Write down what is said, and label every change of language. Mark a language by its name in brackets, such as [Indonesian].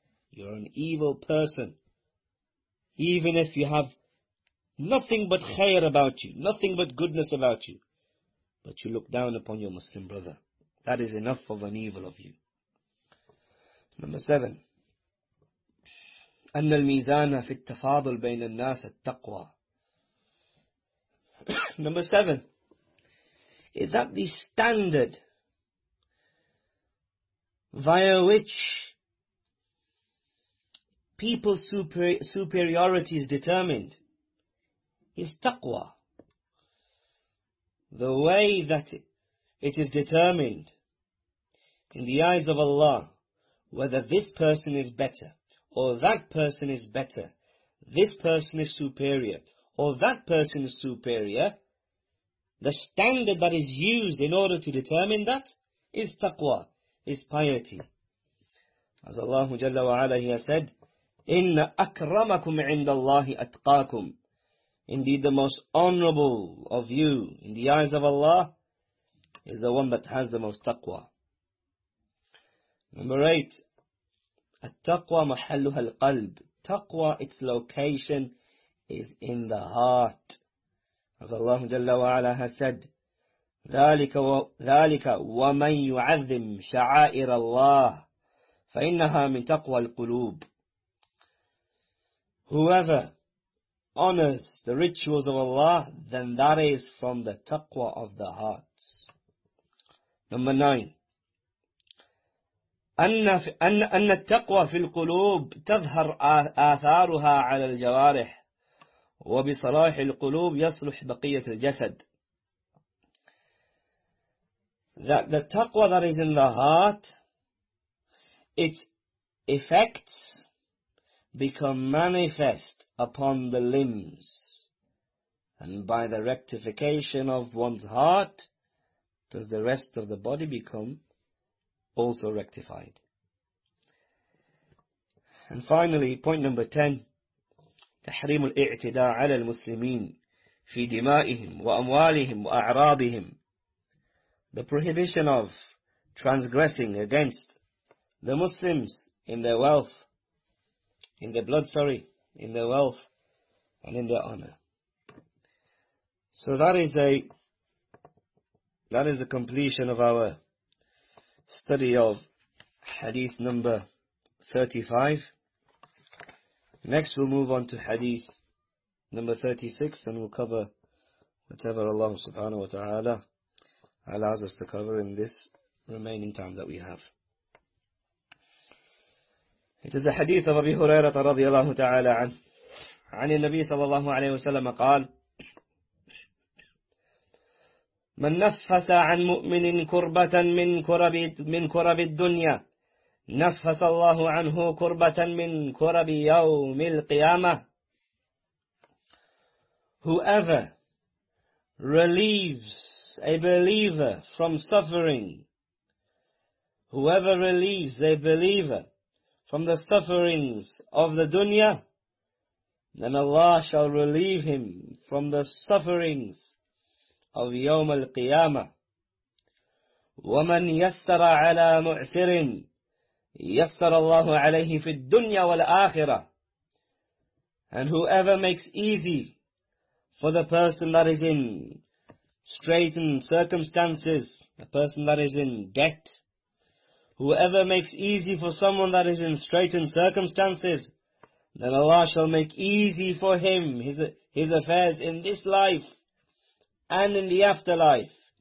[English] You're an evil person. Even if you have nothing but khair about you, nothing but goodness about you, but you look down upon your Muslim brother, that is enough of an evil of you. Number seven. [Arabic] أن الميزان في التفاضل بين الناس التقوى. [English] Number seven. Is that the standard via which people's superiority is determined? Is taqwa. The way that it is determined in the eyes of Allah, whether this person is better, or that person is better, this person is superior, or that person is superior, the standard that is used in order to determine that is taqwa, is piety. As Allah Jalla wa Ala, He has said, [Arabic] Inna akramakum inda Allahi atqakum. [English] Indeed, the most honorable of you in the eyes of Allah is the one that has the most taqwa. Number eight. [Arabic] At-taqwa mahalluha al-qalb. [English] Taqwa, its location is in the heart. As Allah Jalla wa Ala has said, [Arabic] ذَلِكَ وَمَنْ يُعَذِّمْ شَعَائِرَ اللَّهِ فَإِنَّهَا مِنْ تَقْوَى الْقُلُوبِ. [English] Whoever honors the rituals of Allah, then that is from the taqwa of the hearts. Number nine. [Arabic] أن التقوى في القلوب تظهر آثارها على الجوارح وبصلاح القلوب يصلح بقية الجسد. [English] That the taqwa that is in the heart, its effects become manifest upon the limbs, And by the rectification of one's heart, does the rest of the body become also rectified. And finally, point number 10, [Arabic] تحريم الاعتداء على المسلمين في دمائهم وأموالهم وأعراضهم. [English] The prohibition of transgressing against the Muslims in their wealth, in their blood, sorry, in their wealth and in their honor. So that is the completion of our study of hadith number 35. Next we'll move on to hadith number 36 and we'll cover whatever Allah subhanahu wa ta'ala allows us to cover in this remaining time that we have. It is the hadith of Abi Hurairah radiallahu ta'ala [Arabic] عن النبي صلى الله عليه وسلم قال من نفس عن مؤمن كربة من كرب الدنيا نفس الله عنه كربة من كرب يوم القيامة. [English] Whoever relieves a believer from suffering, whoever relieves a believer from the sufferings of the dunya, then Allah shall relieve him from the sufferings of [Arabic] يوم القيامة. ومن يسر على معسر يسر الله عليه في الدنيا والآخرة. [English] And whoever makes easy for the person that is in straitened circumstances, the person that is in debt, whoever makes easy for someone that is in straitened circumstances, then Allah shall make easy for him his affairs in this life and in the afterlife.